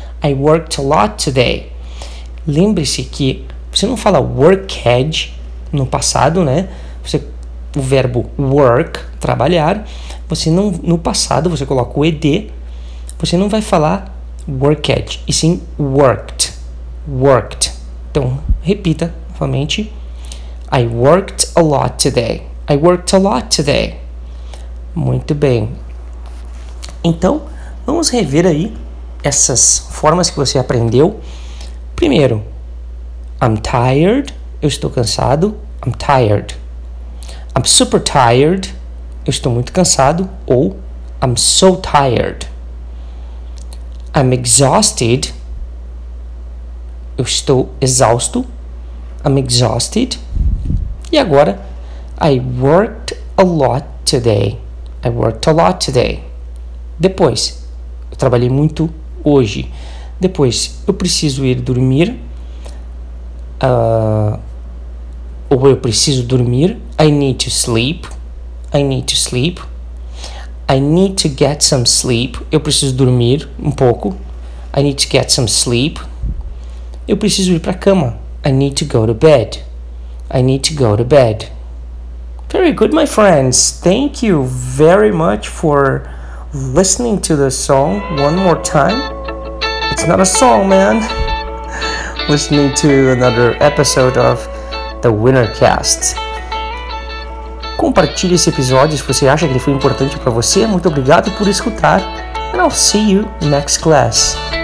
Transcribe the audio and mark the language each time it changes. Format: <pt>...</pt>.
<en>I worked a lot today.</en> <pt>Lembre-se que você não fala worked no passado, né? Você, o verbo work, trabalhar, você não, no passado, você coloca o ed, você não vai falar worked, e sim worked, worked. Então, repita novamente,</pt> <en>I worked a lot today, I worked a lot today.</en> <pt>Muito bem. Então, vamos rever aí essas formas que você aprendeu. Primeiro,</pt> <en>I'm tired,</en> <pt>eu estou cansado, I'm tired.</pt> <en>I'm super tired,</en> <pt>eu estou muito cansado, ou</pt> <en>I'm so tired. I'm exhausted,</en> <pt>eu estou exausto,</pt> <en>I'm exhausted.</en> <pt>E agora,</pt> <en>I worked a lot today, I worked a lot today.</en> <pt>Depois, eu trabalhei muito hoje. Depois, eu preciso ir dormir. Ou eu preciso dormir.</pt> <en>I need to sleep. I need to sleep. I need to get some sleep.</en> <pt>Eu preciso dormir um pouco.</pt> <en>I need to get some sleep.</en> <pt>Eu preciso ir para a cama.</pt> <en>I need to go to bed. I need to go to bed. Very good, my friends. Thank you very much for listening to the song one more time. It's not a song, man. Listening to another episode of The Wintercast.</en> <pt>Compartilhe esse episódio se você acha que ele foi importante para você. Muito obrigado por escutar.</pt> <en>And I'll see you next class.</en>